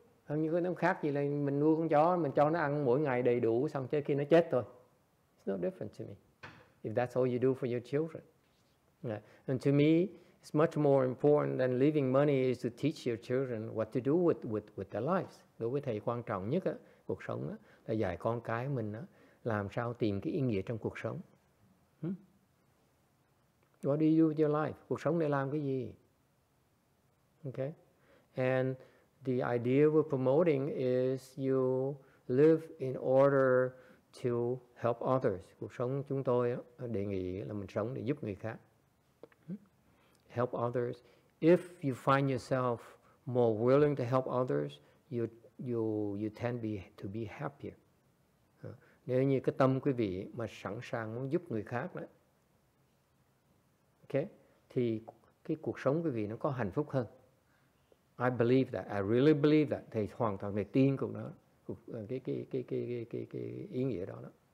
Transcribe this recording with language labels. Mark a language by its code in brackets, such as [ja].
[vi] Hơn như cái nó khác gì là mình nuôi con chó, mình cho nó ăn mỗi ngày đầy đủ xong tới khi nó chết thôi. [en] It's no different to me. If that's all you do for your children. Yeah. And to me, it's much more important than leaving money is to teach your children what to do with their lives. [vi] Đối với thầy quan trọng nhất á, cuộc sống á, là dạy con cái mình á, làm sao tìm cái ý nghĩa trong cuộc sống. [en] What do you do with your life? [vi] Cuộc sống để làm cái gì? [en] Okay. And the idea we're promoting is you live in order to help others. [vi] Cuộc sống chúng tôi á, đề nghị là mình sống để giúp người khác. [en] Help others. If you find yourself more willing to help others, you tend to be happier. [vi] Nếu như cái tâm quý vị mà sẵn sàng muốn giúp người khác đấy, okay, thì cái cuộc sống quý vị nó có hạnh phúc hơn. [en] I believe that. I really believe that. [vi] Thầy hoàn toàn thầy tin cuộc đó, cái ý nghĩa đó đó.